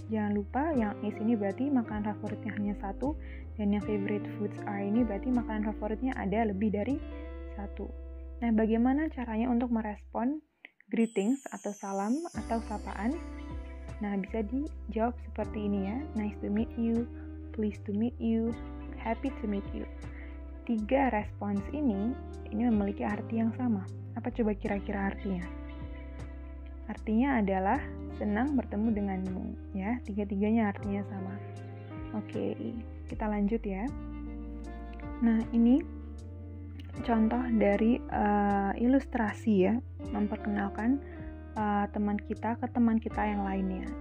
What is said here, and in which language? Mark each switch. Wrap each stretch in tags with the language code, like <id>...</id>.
<id>Jangan lupa yang is ini berarti makanan favoritnya hanya satu, dan yang</id> <en>favorite foods are</en> <id>ini berarti makanan favoritnya ada lebih dari satu. Nah, bagaimana caranya untuk merespon greetings atau salam atau sapaan? Nah, bisa dijawab seperti ini ya.</id> <en>Nice to meet you, pleased to meet you, happy to meet you.</en> <id>Tiga respons ini memiliki arti yang sama. Apa coba kira-kira artinya? Artinya adalah senang bertemu denganmu, ya. Tiga-tiganya artinya sama. Oke, kita lanjut ya. Nah, ini contoh dari ilustrasi ya, memperkenalkan teman kita ke teman kita yang lainnya.</id>